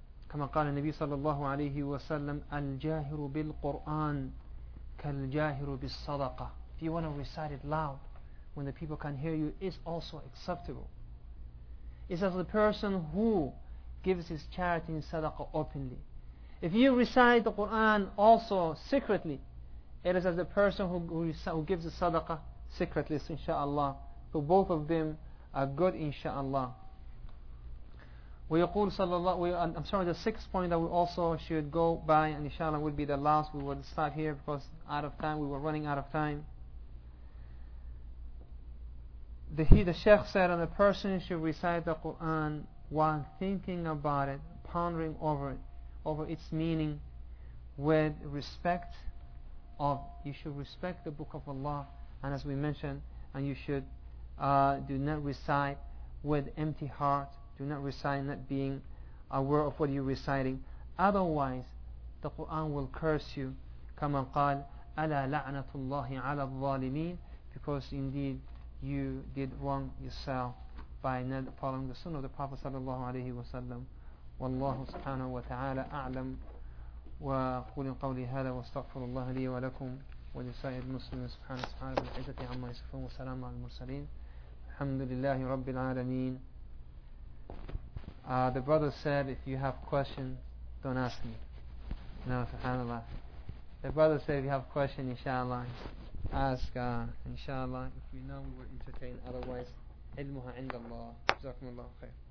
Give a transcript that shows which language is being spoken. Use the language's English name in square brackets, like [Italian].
[Arabic] كما قال النبي صلى الله عليه وسلم الجاهر بالقرآن كالجاهر بالصدقة. [English] If you want to recite it loud when the people can hear you, it's also acceptable. It's as the person who gives his charity in sadaqah openly. If you recite the Quran also secretly, it is as the person who gives the sadaqah secretly, inshaAllah. So both of them are good, inshaAllah. [Arabic] ويقول صلى الله [English] I'm sorry, the sixth point that we also should go by, and inshallah will be the last, we will stop here because out of time, we were running out of time. The Sheikh said, and a person should recite the Quran while thinking about it, pondering over it, over its meaning, with respect of, you should respect the Book of Allah, and as we mentioned, and you should do not recite with empty heart. Do not recite not being aware of what you're reciting. Otherwise, the Quran will curse you. [Arabic] كما قال ألا لعنة الله على الظالمين. [English] Because indeed you did wrong yourself by not following the Sunnah of the Prophet صلى الله عليه وسلم. [Arabic] والله سبحانه وتعالى أعلم. وقول قولي هذا واستغفر الله لي ولكم ولسائر المسلمين سبحانه سبحانه بالعزة عما يصفون وسلام على المرسلين. الحمد لله رب العالمين. [English] The brother said, if you have questions, don't ask me. No, subhanAllah. The brother said, if you have questions, inshallah, ask, inshallah. If we know, we will entertain. Otherwise, ilmuha inda Allah. Jazakum Allah khair.